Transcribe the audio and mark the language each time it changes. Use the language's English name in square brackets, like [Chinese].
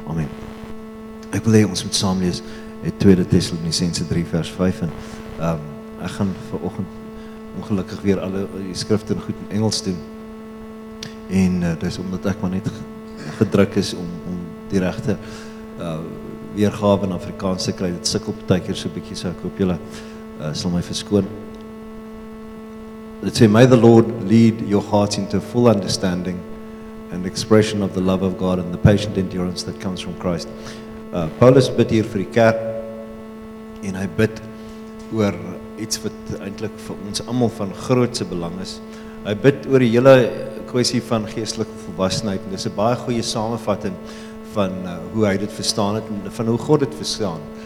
[Afrikaans] Amen. Ek wil hê ons moet saam lees uit 2 Tessalonisense 3 vers 5 en ek gaan vanoggend ongelukkig weer alle die skrifte goed in Engels doen. En dis omdat ek maar net gedruk is om die regte weergawe in Afrikaans te kry. Dit sukkel partykeer so 'n bietjie, so ek hoop julle sal my verskoon. [English] It says, may the Lord lead your hearts into full understanding and expression of the love of God and the patient endurance that comes from Christ. [Afrikaans] Paulus bid hier vir die kerk en hy bid oor iets wat eintlik vir ons allemaal van grootse belang is. Hy bid oor die hele kwestie van geestelike volwassenheid en dit is een baie goeie samenvatting van hoe hy dit verstaan het en van hoe God dit verstaan.